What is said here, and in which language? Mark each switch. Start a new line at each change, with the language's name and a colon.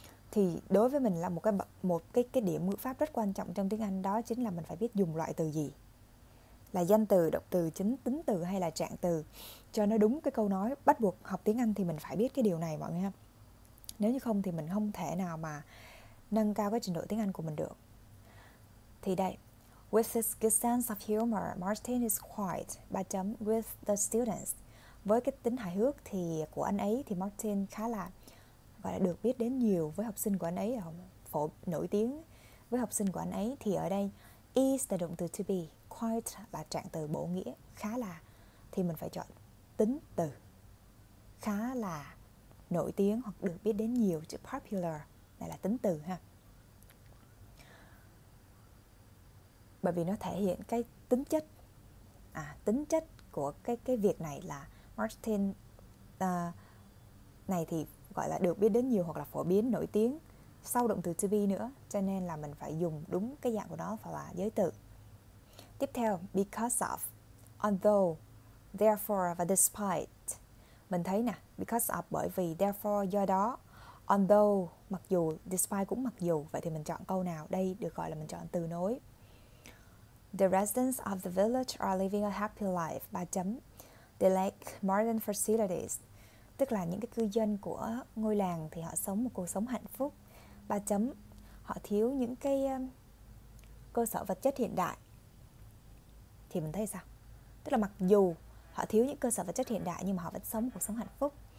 Vietnamese: Thì đối với mình là một cái điểm ngữ pháp rất quan trọng trong tiếng Anh, đó chính là mình phải biết dùng loại từ gì. Là danh từ, động từ, chính tính từ hay là trạng từ cho nó đúng cái câu nói. Bắt buộc học tiếng Anh thì mình phải biết cái điều này mọi người ha. Nếu như không thì mình không thể nào mà nâng cao cái trình độ tiếng Anh của mình được. Thì đây,
English: with his good sense of humor, Martin is quite,
Vietnamese: 3 chấm,
English: with the students.
Vietnamese: Với cái tính hài hước thì của anh ấy thì Martin khá là gọi là được biết đến nhiều với học sinh của anh ấy, phổ nổi tiếng với học sinh của anh ấy. Thì ở đây is là động từ to be, quite là trạng từ bổ nghĩa, khá là thì mình phải chọn tính từ khá là nổi tiếng hoặc được biết đến nhiều, chữ popular này là tính từ ha. Bởi vì nó thể hiện cái tính chất của cái việc này là Martin này thì gọi là được biết đến nhiều hoặc là phổ biến, nổi tiếng, sau động từ to be nữa, cho nên là mình phải dùng đúng cái dạng của nó, phải là giới từ. Tiếp theo, because of, although, therefore và despite. Mình thấy nè, because of, bởi vì, therefore, do đó, although, mặc dù, despite cũng mặc dù. Vậy thì mình chọn câu nào? Đây được gọi là mình chọn từ nối.
English: The residents of the village are living a happy life.
Vietnamese: Ba chấm.
English: They lack modern facilities.
Vietnamese: Tức là những cái cư dân của ngôi làng thì họ sống một cuộc sống hạnh phúc. Ba chấm. Họ thiếu những cái cơ sở vật chất hiện đại. Thì mình thấy sao? Tức là mặc dù họ thiếu những cơ sở vật chất hiện đại nhưng mà họ vẫn sống cuộc sống hạnh phúc.